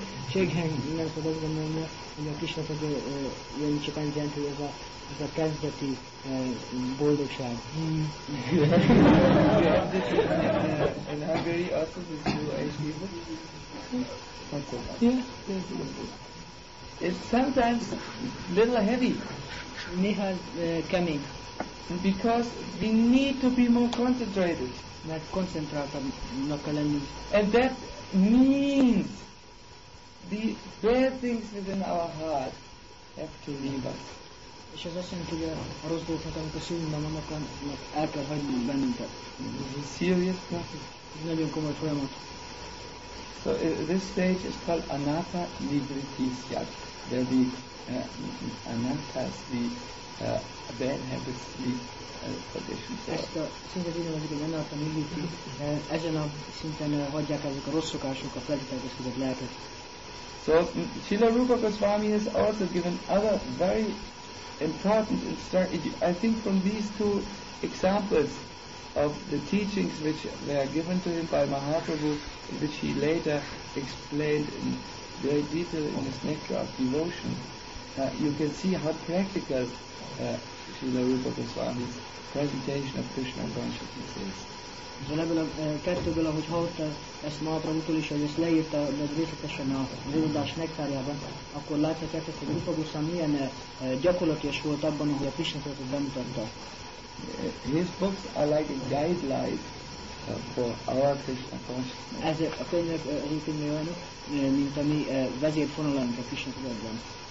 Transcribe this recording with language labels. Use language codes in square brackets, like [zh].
[hu] Senkinek nem szabad azt gondolni, hogy a Krishna fog jönni csak annyit jelent, hogy ez a kezdeti boldogság. [en] You have this in Hungary also, this new age people? Not so much. It's sometimes a little heavy. [hu] Néha kemény. [en] Because we need to be more concentrated. [hu] Mert koncentráltabbnak kell lenni. [en] And that means the bad things within our heart have to leave us. [hu] És ez azt jelenti, hogy a rossz dolgokat, amik a szívünkben vannak, annak el kell hagyni bennünket. [en] This is serious process. [hu] Ez nagyon komoly folyamat. [en] So this stage is called anatta nivritti stage, where the anattas, the bad habits, the condition for. [hu] Ezt a szintet így nevezik, hogy anatta nivritti, ezen a szinten hagyják ezek a rossz szokások a feltételkezkedett lelket. [en] So Srila Rupa Goswami has also given other very important I think from these two examples of the teachings which were given to him by Mahaprabhu, which he later explained in very detail in his Nectar of Devotion, you can see how practical Srila Rupa Goswami's presentation of Krishna consciousness is. [hu] Van ebből a kettőből, ahogy hallotta ezt Mahaprabhutól is, hogy ezt leírta részletesen a Vódás Nektárjában, akkor láthatják ezt, hogy Rupa Goswami milyen gyakorlatilag volt abban, hogy a Krishna tudatot bemutatta. [en] His books are like a guideline for our Krishna consciousness. [hu] Ez a könyvek rutinja olyan, mint ami vezérfonal, amit a Krishna tudatban.